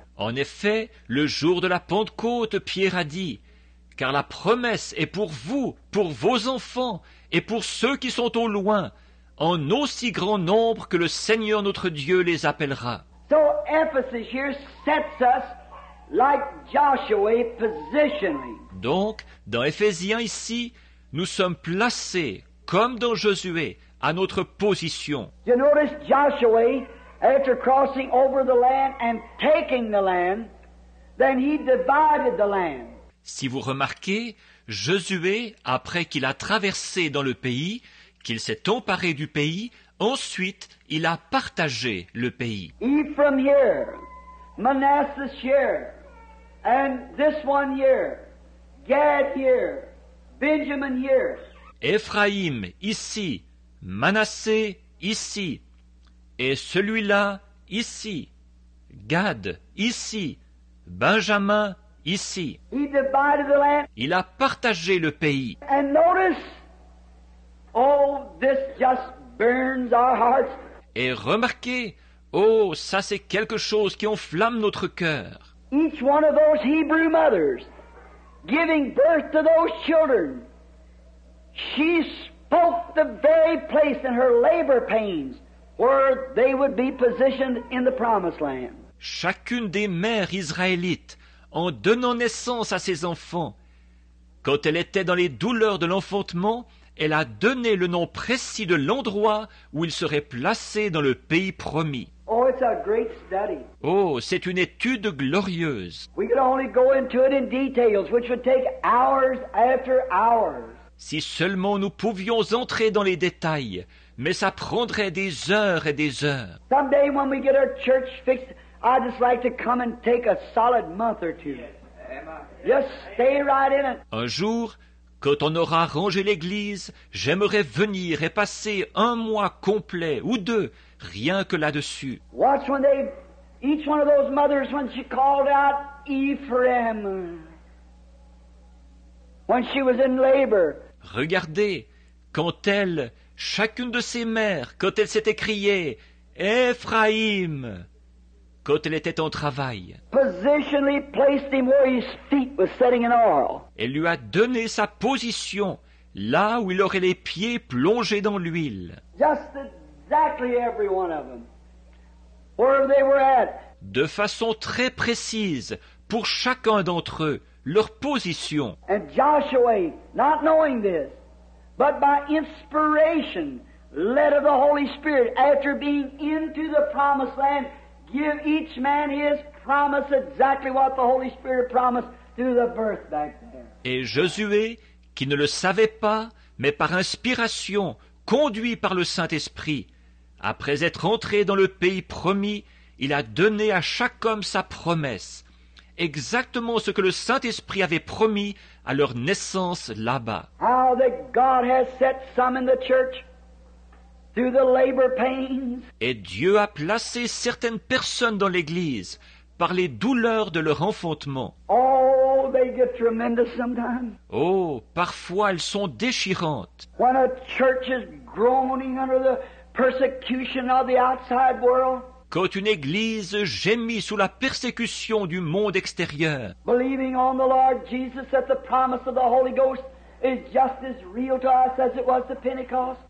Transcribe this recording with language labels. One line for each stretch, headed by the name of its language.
French: En effet, le jour de la Pentecôte, Pierre a dit, car la promesse est pour vous, pour vos enfants, et pour ceux qui sont au loin, en aussi grand nombre que le Seigneur notre Dieu les appellera.
English: So Ephesus here sets us like Joshua positionally.
French: Donc, dans Éphésiens ici, nous sommes placés, comme dans Josué, à notre position.
English: You notice Joshua, after crossing over the land and taking the land, then he divided the land.
French: Si vous remarquez, Josué, après qu'il a traversé dans le pays, qu'il s'est emparé du pays, ensuite il a partagé le pays.
English: Ephraim here, Manasseh here, and this one here, Gad here, Benjamin here.
French: Éphraïm ici, Manasseh ici, et celui-là ici, Gad ici, Benjamin ici.
English: He divided the land.
French: Il a partagé le pays.
English: And notice, oh, this just burns our hearts.
French: Et remarquez, oh, ça c'est quelque chose qui enflamme notre cœur.
English: Each one of those Hebrew mothers giving birth to those children, she spoke the very place in her labor pains where they would be positioned in the promised land.
French: Chacune des mères israélites, en donnant naissance à ses enfants, quand elle était dans les douleurs de l'enfantement, elle a donné le nom précis de l'endroit où il serait placé dans le pays promis.
English: Oh, it's a great study.
French: Oh, c'est une étude glorieuse.
English: We could only go into it in details, which would take hours after hours.
French: Si seulement nous pouvions entrer dans les détails, mais ça prendrait des heures et des heures.
English: Someday when we get our church fixed, I'd just like to come and take a solid month or two. Just stay right in it.
French: Un jour, Quand on aura rangé l'église, j'aimerais venir et passer un mois complet ou deux, rien que là-dessus.
English: Watch when they, each one of those mothers, when she called out Ephraim, when she was in labor.
French: Regardez, quand elle, chacune de ses mères, quand elle s'était criée Ephraim, quand elle était en travail,
English: positionally placed him where his feet were setting in oil.
French: Elle lui a donné sa position là où il aurait les pieds plongés dans l'huile.
English: Just exactly every one of them, where they were at.
French: De façon très précise, pour chacun d'entre eux, leur position.
English: And Joshua, not knowing this, but by inspiration, led of the Holy Spirit, after being into the promised land, give each man his promise, exactly what the Holy Spirit promised through the birth back there.
French: Et Josué, qui ne le savait pas, mais par inspiration, conduit par le Saint-Esprit, après être entré dans le pays promis, il a donné à chaque homme sa promesse, exactement ce que le Saint-Esprit avait promis à leur naissance là-bas.
English: How that God has set some in the church through the labor pains.
French: Et Dieu a placé certaines personnes dans l'église par les douleurs de leur enfantement.
English: Oh, they get tremendous sometimes.
French: Oh, parfois elles sont déchirantes.
English: When a church is groaning under the persecution of the outside world.
French: Quand une église gémit sous la persécution du monde extérieur.
English: Believing on the Lord Jesus that the promise of the Holy Ghost is just as real to us as it was to Pentecost.